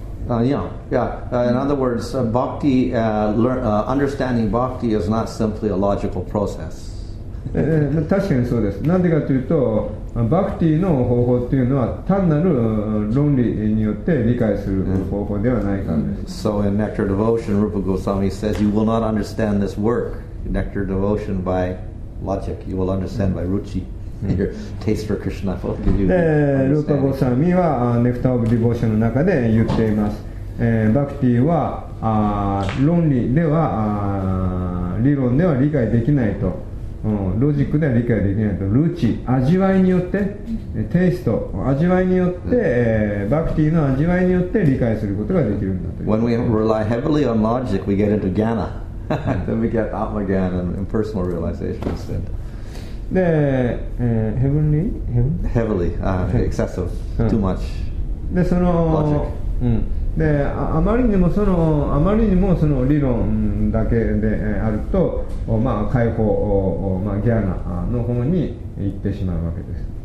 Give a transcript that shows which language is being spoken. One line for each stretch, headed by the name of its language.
English: In other words, bhakti understanding bhakti is not simply a logical process.
Japanese: 確かにそうです。なんでかというと。バクティの方法というのは単なる論理によって理解する方法ではないからです。
English: So in Nectar Devotion, Rupa Goswami says you will not understand this work, Nectar Devotion, by logic. You will understand by ruchi. Your taste for Krishna will give you understanding.
Japanese: Rupa Goswami は Nectar of Devotion の中で言っています。バクティは論理では理論では理解できないと。ロジックでは理解できないと、ルーチ、味わいによって、テイスト、味わいによって、バクティの味わいによって理解することができるんだと。
English: When we rely heavily on logic, we get into jnana. Then we get atmajnana and impersonal realization instead. で、heavenly? Heavily, excessive, too much.
Japanese: で、その、
English: logic.
Japanese: で、あまりにもその、あまりにもその理論だけであると、まあ、解放、まあ、ギャーナの方に行ってしまうわけです。